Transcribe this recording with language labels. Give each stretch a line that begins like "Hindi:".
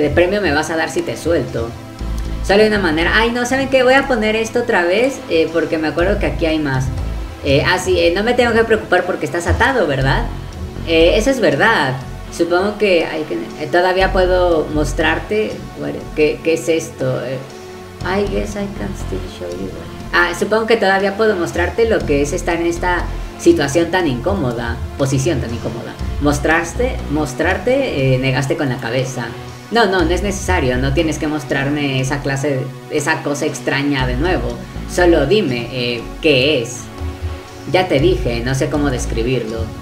Spanish: De premio me vas a dar si te suelto. Sale de una manera... Ay, no, ¿saben qué? Voy a poner esto otra vez porque me acuerdo que aquí hay más. No me tengo que preocupar porque estás atado, ¿verdad? Eso es verdad. Supongo que hay que... todavía puedo mostrarte... ¿Qué es esto?
English: I guess I can still show you.
Spanish: Supongo que todavía puedo mostrarte lo que es estar en esta situación tan incómoda. Posición tan incómoda. Mostrarte, negaste con la cabeza. No es necesario, no tienes que mostrarme esa cosa extraña de nuevo. Solo dime, ¿qué es? Ya te dije, no sé cómo describirlo.